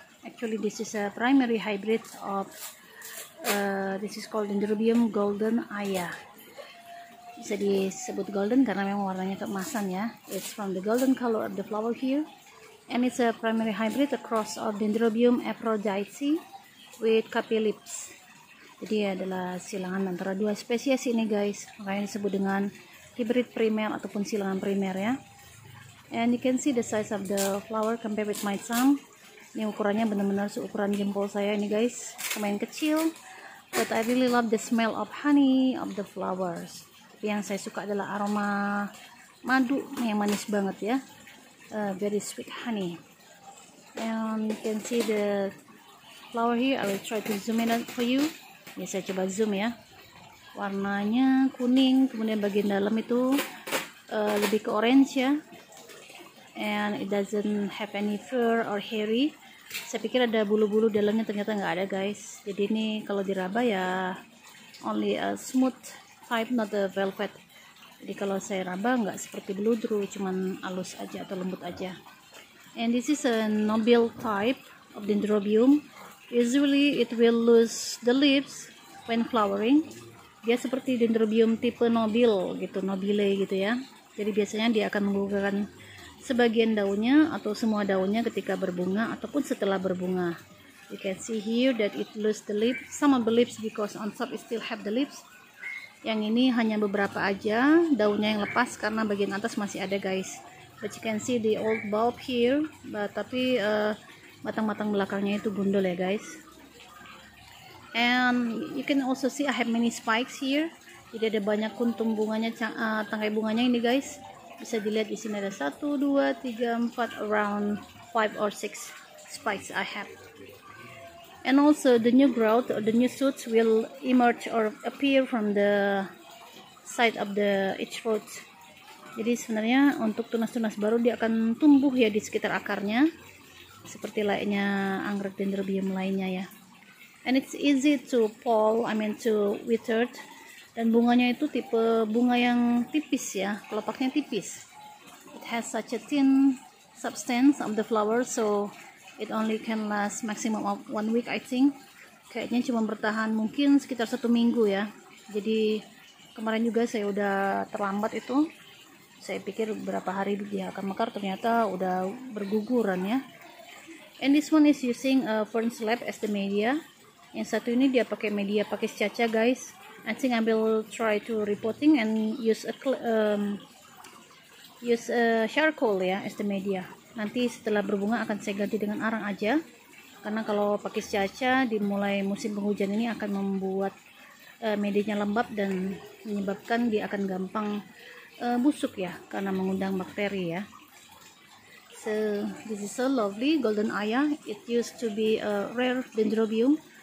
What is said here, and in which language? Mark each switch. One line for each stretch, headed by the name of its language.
English: Actually this is a primary hybrid of this is called Dendrobium Golden Aya.
Indonesian: Bisa disebut golden karena memang warnanya keemasan ya.
English: It's from the golden color of the flower here. And it's a primary hybrid across of Dendrobium Aphrodite with Capilips.
Indonesian: Jadi adalah silangan antara dua spesies ini guys, makanya disebut dengan hybrid primer ataupun silangan primer ya.
English: And you can see the size of the flower compared with my thumb.
Indonesian: Ini ukurannya benar-benar seukuran jempol saya ini guys, lumayan kecil.
English: But I really love the smell of honey of the flowers.
Indonesian: Tapi yang saya suka adalah aroma madu yang manis banget ya,
English: very sweet honey. And you can see the flower here. I will try to zoom in for you.
Indonesian: Ya, saya coba zoom ya. Warnanya kuning, kemudian bagian dalam itu lebih ke orange ya.
English: And it doesn't have any fur or hairy.
Indonesian: Saya pikir ada bulu-bulu dalamnya, ternyata nggak ada guys. Jadi ini kalau diraba ya
English: only a smooth type, not a velvet.
Indonesian: Jadi kalau saya raba nggak seperti beludru, cuman halus aja atau lembut aja.
English: And this is a noble type of dendrobium. Usually it will lose the leaves when flowering.
Indonesian: Dia seperti dendrobium tipe nobile gitu, nobile gitu ya. Jadi biasanya dia akan menggugurkan sebagian daunnya atau semua daunnya ketika berbunga ataupun setelah berbunga.
English: You can see here that it lose the leaves, some of the leaves because on top it still have the leaves.
Indonesian: Yang ini hanya beberapa aja daunnya yang lepas karena bagian atas masih ada guys.
English: But you can see the old bulb here, but
Indonesian: tapi matang-matang belakangnya itu gundul ya guys.
English: And you can also see I have many spikes here.
Indonesian: Jadi ada banyak kuntum bunganya, tangkai bunganya ini guys. Bisa dilihat di sini ada 1, 2, 3, 4,
English: around 5 or 6 spikes I have. And also the new growth or the new shoots will emerge or appear from the side of the each root.
Indonesian: Jadi sebenarnya untuk tunas-tunas baru dia akan tumbuh ya di sekitar akarnya. Seperti lainnya anggrek dendrobium lainnya ya.
English: And it's easy to pull, to wither.
Indonesian: Dan bunganya itu tipe bunga yang tipis ya, kelopaknya tipis.
English: It has such a thin substance of the flower, so it only can last maximum of 1 week I think.
Indonesian: Kayaknya cuma bertahan mungkin sekitar 1 minggu ya. Jadi kemarin juga saya udah terlambat itu. Saya pikir berapa hari dia akan mekar, ternyata udah berguguran ya.
English: And this one is using a fern slab as the media.
Indonesian: Yang satu ini dia pakai media pakai caca guys.
English: I think I will try to repotting and use a charcoal ya as the media.
Indonesian: Nanti setelah berbunga akan saya ganti dengan arang aja. Karena kalau pakai caca dimulai musim penghujan ini akan membuat medianya lembab dan menyebabkan dia akan gampang busuk ya karena mengundang bakteri ya.
English: So, this is a lovely golden aya. It used to be a rare dendrobium.